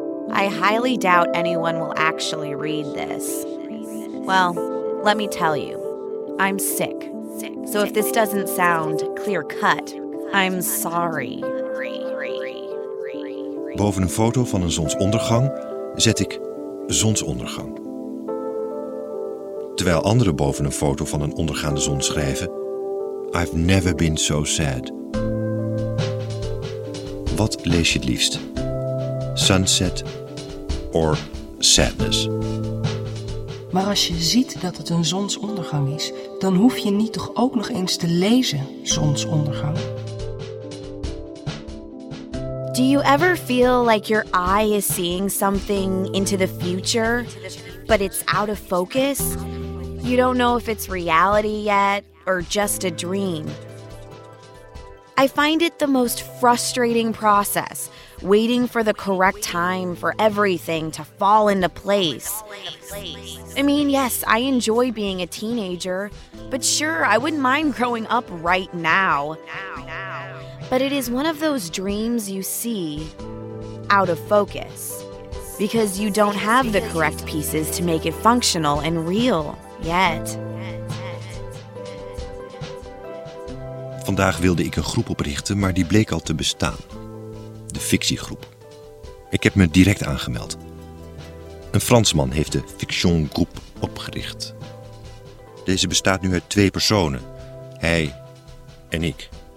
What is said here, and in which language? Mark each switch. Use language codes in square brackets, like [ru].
[en] I highly doubt anyone will actually read this. Well, let me tell you, I'm sick. So if this doesn't sound clear-cut, I'm sorry. [nl] Boven een foto van een zonsondergang zet ik zonsondergang. Terwijl anderen boven een foto van een ondergaande zon schrijven, [en] I've never been so sad. [nl] Wat lees je het liefst? [en] Sunset or sadness? [nl] Maar als je ziet dat het een zonsondergang is, dan hoef je niet toch ook nog eens te lezen zonsondergang? [en] Do you ever feel like your eye is seeing something into the future, but it's out of focus? You don't know if it's reality yet or just a dream. I find it the most frustrating process, waiting for the correct time for everything to fall into place. I mean, yes, I enjoy being a teenager, but sure, I wouldn't mind growing up right now. But it is one of those dreams you see out of focus because you don't have the correct pieces to make it functional and real yet. [nl] Vandaag wilde ik een groep oprichten, maar die bleek al te bestaan. De fictiegroep. Ik heb me direct aangemeld. Een Fransman heeft de Fiction Groep opgericht. Deze bestaat nu uit twee personen. Hij en ik.